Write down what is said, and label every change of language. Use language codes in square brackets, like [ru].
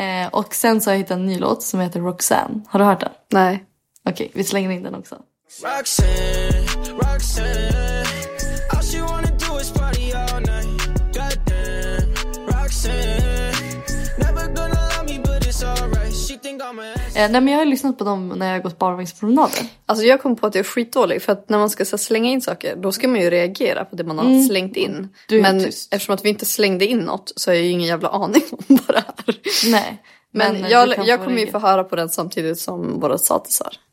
[sv] Och sen så har jag hittat en ny låt som heter Roxanne. Har du hört den? Nej. Okej, vi slänger in den också. [en] Roxanne, Roxanne, all she wanna do is party all night. Goddamn, Roxanne, never gonna love me but it's alright. She think I'm a... [sv] Nej, men jag har lyssnat på dem när jag har gått barnvagnspromenader. Alltså jag kom på att jag är skitdålig. För att när man ska så slänga in saker, då ska man ju reagera på det man har slängt in. Men tyst. Eftersom att vi inte slängde in något så har jag ju ingen jävla aning om vad det är. Nej. Men jag kommer ju få höra på den samtidigt som våra satisar.